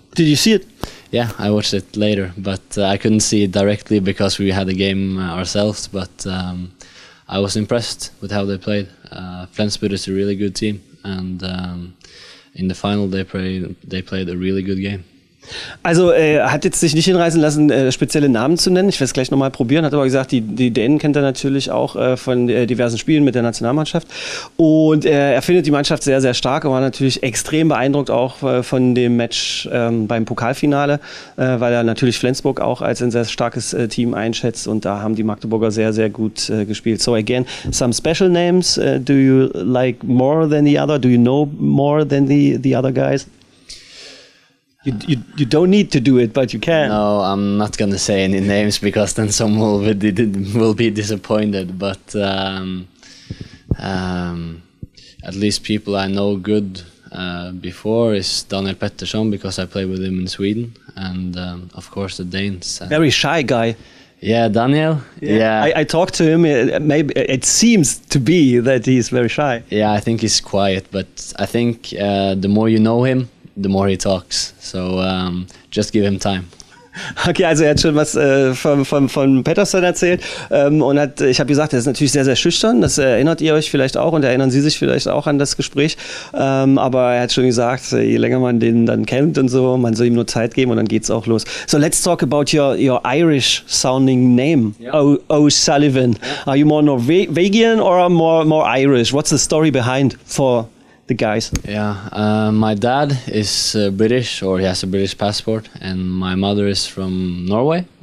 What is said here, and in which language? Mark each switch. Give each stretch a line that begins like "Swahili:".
English: Did you see it? Yeah, I watched it later, but I couldn't see it directly because we had a game ourselves, but I was impressed with how they played. Flensburg is a really good team and in the final they played a really good game.
German: Also hat jetzt sich nicht hinreißen lassen, spezielle Namen zu nennen. Ich werde es gleich nochmal probieren. Hat aber gesagt, die Dänen kennt er natürlich auch von diversen Spielen mit der Nationalmannschaft. Und er findet die Mannschaft sehr, sehr stark und war natürlich extrem beeindruckt auch von dem Match beim Pokalfinale, weil er natürlich Flensburg auch als ein sehr starkes Team einschätzt. Und da haben die Magdeburger sehr, sehr gut gespielt.
English: So again, some special names. Do you like more than the other? Do you know more than the other guys? You don't need to do it, but you can. No, I'm not going to say any names because then some will be disappointed. But at least people I know good before is Daniel Pettersson because I played with him in Sweden. And of course the Danes. Very shy guy. Yeah, Daniel. Yeah. I talked to him. Maybe it seems to be that he's very shy. Yeah, I think he's quiet. But I think the more you know him, the more he talks, so just give him time.
German: Okay, also er hat schon was von Pettersson erzählt und hat, ich habe gesagt, er ist natürlich sehr, sehr schüchtern, das erinnert ihr euch vielleicht auch und erinnern Sie sich vielleicht auch an das Gespräch, aber er hat schon gesagt, je länger man den dann kennt und so, man soll ihm nur Zeit geben und dann geht's auch los.
English: So let's talk about your Irish sounding name, yeah. O'Sullivan. Yeah. Are you more Norwegian or more Irish? What's the story behind for the guys? Yeah, my dad is British, or he has a British passport, and my mother is from Norway.